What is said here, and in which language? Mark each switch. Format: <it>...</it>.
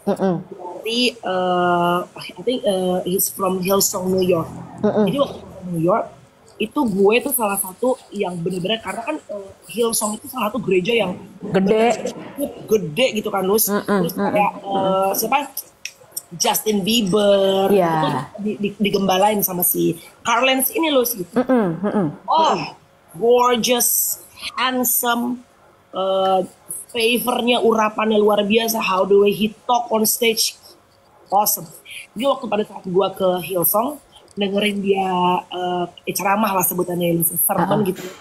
<id>Dari</id> <en>I think he's from Hillsong, New York.</en> <id>Jadi waktu di New York itu gue tuh salah satu yang benar-benar, karena kan Hillsong itu salah satu gereja yang gede gitu kan, Luz. Terus kayak siapa? Justin Bieber digembalain sama si Carl Lentz ini loh sih. Oh, gorgeous, handsome, favornya, urapannya luar biasa.</id> <en>How the way he talk on stage, awesome.</en> <id>Dia waktu pada saat gue ke Hillsong dengerin dia ceramah lah sebutannya, sermon gitu.</id>